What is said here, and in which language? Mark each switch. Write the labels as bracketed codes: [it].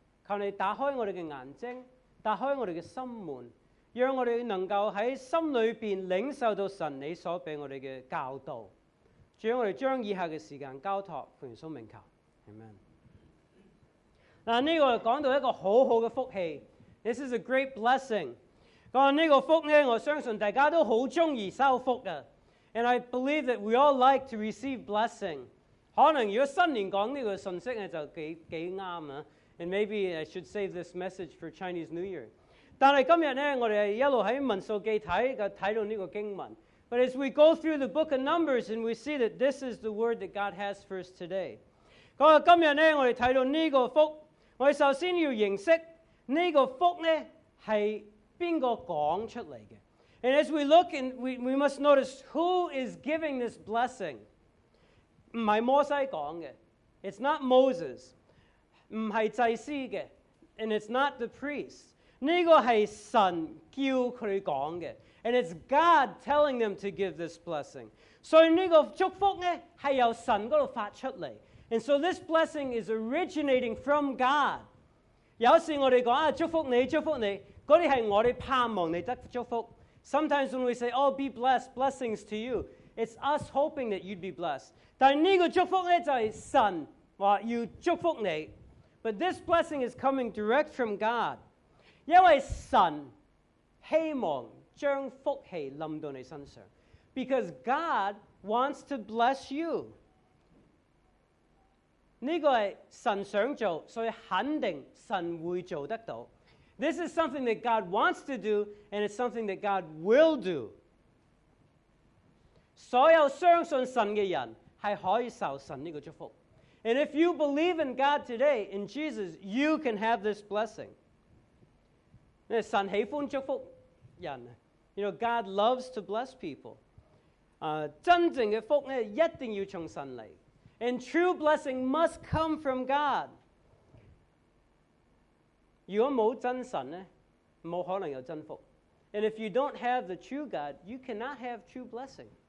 [yue] 求你打开我哋嘅眼睛，打开我哋嘅心门，让我哋能够喺心里边领受到神你所俾我哋嘅教导。主，我哋将以下嘅时间交托奉耶稣名求 ，Amen。嗱，呢个讲到一个好好嘅福气 ， [en] This is a great blessing。 [yue] 这个福呢，我相信大家都好鍾意收福的。 [en] And I believe that we all like to receive blessing. [yue] 可能如果新年讲这个信息呢，就几啱啊。 [en] And maybe I should save this message for Chinese New Year. [yue] 但是今天呢，我们一路在民数记看到这个经文。 [en] But as we go through the book of Numbers, and we see that this is the word that God has for us today. [yue] 今天呢，我们看到这个福，我们首先要认识这个福呢，是谁讲出来的。 [en] And as we look, and we must notice who is giving this blessing. [yue] 不是摩西讲的。 [en] It's not Moses. [yue] 不是祭司的。 [en] And it's not the priest. [yue] 这个是神叫他们讲的。 [en] And it's God telling them to give this blessing. [yue] So 这个祝福呢，是由神那里发出来。 [en] And so this blessing is originating from God. [yue] 有时我们说，啊，祝福你，祝福你，那些是我们盼望你得祝福。 [en] Sometimes when we say, oh, be blessed, blessings to you, it's us hoping that you'd be blessed. [yue] 但这个祝福呢，就是神说要祝福你。 [en] But this blessing is coming direct from God. [yue] 因为神希望将福气临到你身上。 [en] Because God wants to bless you. [yue] 这个是神想做，所以肯定神会做得到。 [en] This is something that God wants to do, and it's something that God will do. [yue] 所有相信神的人是可以受神这个祝福。 [en] And if you believe in God today, in Jesus, you can have this blessing. [yue] 神喜欢祝福人。 [en] You know, God loves to bless people. [yue] 真正的福呢，一定要从神来。 [en] And true blessing must come from God. [yue] 如果没有真神呢，没可能有真福。 [en] And if you don't have the true God, you cannot have true blessing.